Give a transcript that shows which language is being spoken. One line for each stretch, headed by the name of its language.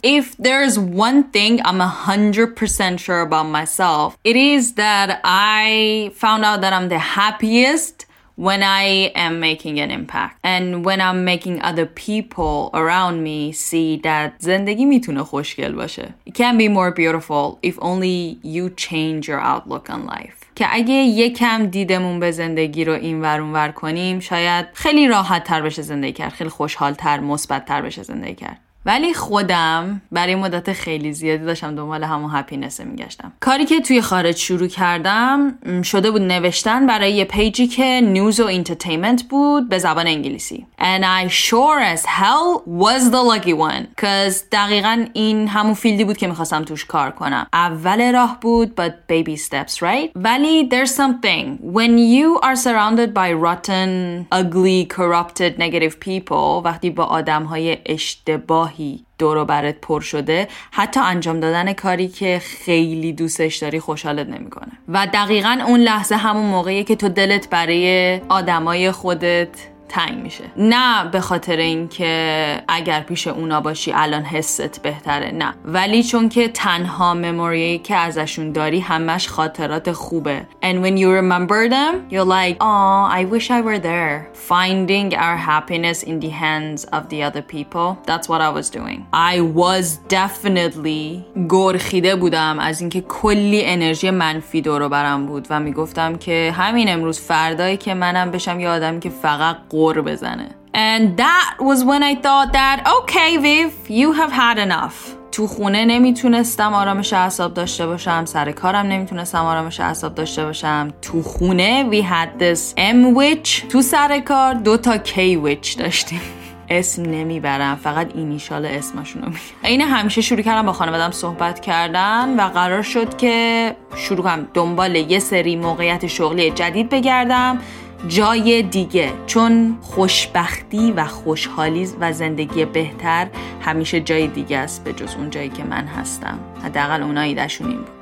English: If there's one thing I'm 100% sure about myself, it is that I found out that I'm the happiest when I am making an impact and when I'm making other people around me see that
Persian: زندگی میتونه خوشگل باشه.
English: It can be more beautiful if only you change your outlook on life.
Persian: که اگه یکم دیدمون به زندگی رو این ور اون ور کنیم، شاید خیلی راحت تر بشه زندگی کرد، خیلی خوشحال تر، مثبت تر بشه زندگی کرد. ولی خودم برای مدت خیلی زیادی داشتم دنبال همون هپینس میگشتم. کاری که توی خارج شروع کردم شده بود نوشتن برای یه پیجی که نیوز و انترتینمنت بود به زبان انگلیسی.
English: And I sure as hell was the lucky one.
Persian: Because دقیقا این همون فیلدی بود که میخواستم توش کار کنم. اول راه بود
English: but baby steps, right? ولی there's something. When you are surrounded by rotten, ugly, corrupted, negative people،
Persian: وقتی با آدم های اشتباه دورو برات پر شده، حتی انجام دادن کاری که خیلی دوستش داری خوشحالت نمیکنه. و دقیقا اون لحظه همون موقعیه که تو دلت برای آدمای خودت تنگ میشه. نه به خاطر اینکه اگر پیش اونا باشی الان حست بهتره، نه، ولی چون که تنها مموریه که ازشون داری همش خاطرات خوبه.
English: And when you remember them you're like oh I wish I were there. Finding our happiness in the hands of the other people, that's what I was doing. I was definitely
Persian: گرخیده بودم از اینکه کلی انرژی منفی دورو برم بود و میگفتم که همین امروز فردایی که منم بشم یه آدمی که فقط قور بزنه.
English: And that was when I thought that okay Viv, you have had enough.
Persian: تو خونه نمیتونستم آرامش اعصاب داشته باشم، سر کارم نمیتونستم آرامش اعصاب داشته باشم. تو خونه
English: we had this M witch،
Persian: تو سر کار دو تا K witch داشتیم. اسم نمیبرم، فقط اینیشال اسمشونو میگم. اینه همیشه شروع کردم با خانوادم صحبت کردن و قرار شد که شروع کنم دنبال یه سری موقعیت شغلی جدید بگردم جای دیگه، چون خوشبختی و خوشحالی و زندگی بهتر همیشه جای دیگه است به جز اون جایی که من هستم. حداقل اونایی داشون این بود.